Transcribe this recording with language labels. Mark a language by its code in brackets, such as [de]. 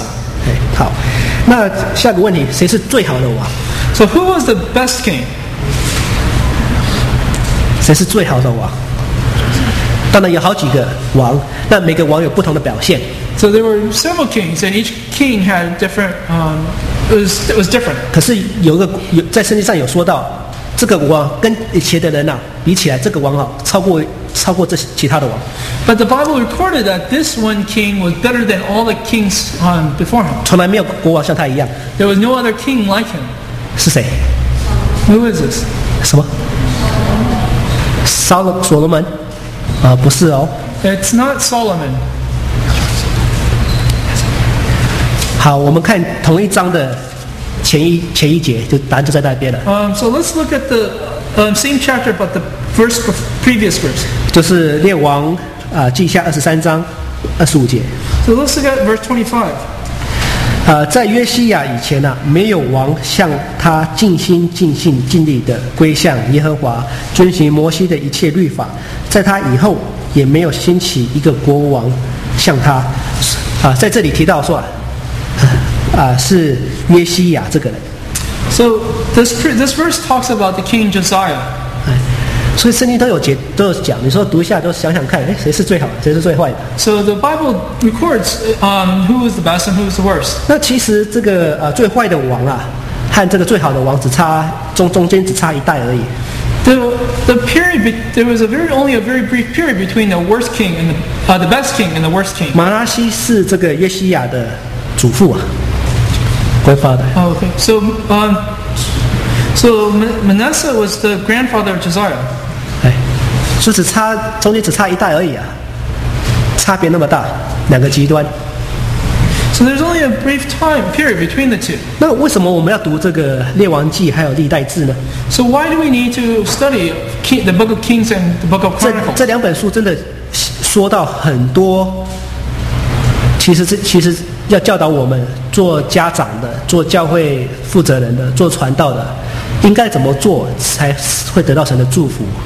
[zh] Okay, 好，那下个问题，谁是最好的王 [en] ？So who was the best king？ [zh] 谁是最好的王？当然有好几个王，那每个王有不同的表现。 [en] So there were several kings, and each king had different. It was different. [zh] 可是有一个有在圣经上有说到，这个王跟以前的人呐、啊、比起来，这个王啊超过这其他的王。 [en] But the Bible recorded that this one king was better than all the kings before him. [zh] 从来没有国王像他一样。 [en] There was no other king like him. [zh] 是谁 [en] ？Who is this？ [zh] 什么？所罗门？啊、不是哦。 [en] It's not Solomon. [zh] 好，我们看同一章的前一节，就答案就在那边了。 [en] So let's look at the same chapter, but the first previous verse. [zh] 就是列王啊、记下二十三章二十五节。 [en] So let's look at verse 25. [zh] 在约西亚以前呢、啊，没有王像他尽心尽性尽力的归向耶和华，遵循摩西的一切律法。在他以后，也没有兴起一个国王像他。啊、在这里提到说、啊。是约西亚这个人。 [en] So this verse talks about the king Josiah. [zh] 所以圣经都有讲，你说读一下，都想想看，哎，谁是最好，谁是最坏的 [en] ？So the Bible records who is the best and who is the worst. [zh] 那其实这个最坏的王啊，和这个最好的王只差中间只差一代而已。 [en] The period there was a very brief period between the worst king and the best king and the worst king. [zh] 马拉西是这个约西亚的祖父啊。 [en] Grandfather. Oh, okay. So Manasseh was the grandfather of Josiah. [zh] 哎，就只差中间只差一代而已啊，差别那么大，两个极端。 [en] So there's only a brief time period between the two. [zh] 那为什么我们要读这个列王记还有历代志呢 [en] ？So why do we need to study the Book of Kings and the Book of Chronicles? [zh] 这两本书真的说到很多，其实。要教导我们做家长的、做教会负责人的、做传道的，应该怎么做才会得到神的祝福